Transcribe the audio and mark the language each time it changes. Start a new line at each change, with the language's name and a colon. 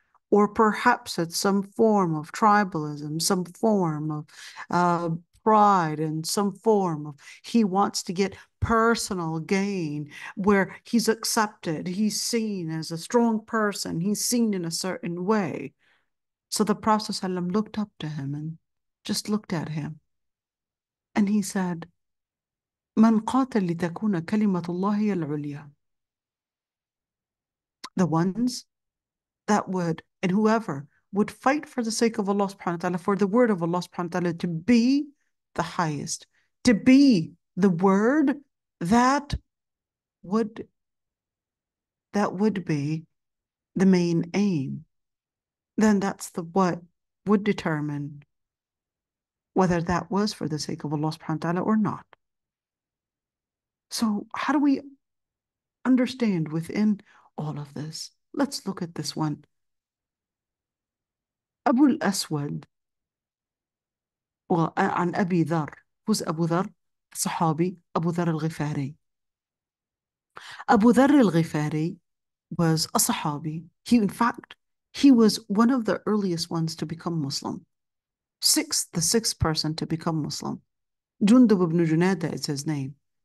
English: Or perhaps it's some form of tribalism, some form of pride, and some form of he wants to get personal gain where he's accepted, he's seen as a strong person, he's seen in a certain way. So the Prophet ﷺ looked up to him and just looked at him.
Arabic: And he said, من قاتل لتكون كلمة الله هي العليا.
English: The ones that would, and whoever, would fight for the sake of Allah subhanahu wa ta'ala, for the word of Allah subhanahu wa ta'ala to be the highest, to be the word that would be the main aim, then that's the what would determine whether that was for the sake of Allah subhanahu wa ta'ala or not. So how do we understand within all of this? Let's look at this one.
Arabic: Abu al-Aswad, عن أبي ذر.
English: Who's Abu Dhar? Sahabi, Abu Dhar al-Ghifari. Abu Dhar al-Ghifari was a Sahabi. In fact, he was one of the earliest ones to become Muslim. The sixth person to become Muslim. Jundub ibn Junada is his name.